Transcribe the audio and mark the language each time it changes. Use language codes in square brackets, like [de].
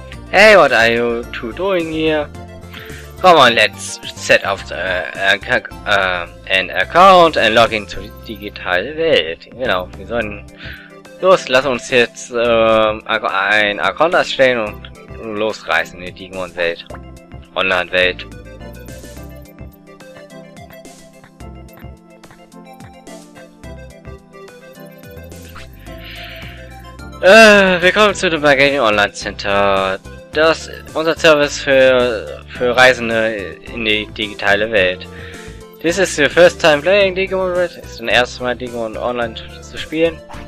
[en] Hey, what are you two doing here? Come on, let's set up an account and log into the digitale Welt. [de] Genau, wir sollen... Los, lass uns jetzt ein Account erstellen und losreißen in die Digimon-Welt. Online-Welt. Willkommen zu dem Magani Online Center. Das unser Service für Reisende in die digitale Welt. [en] This is your first time playing Digimon World. [de] Das ist dein erstes Mal Digimon Online zu spielen.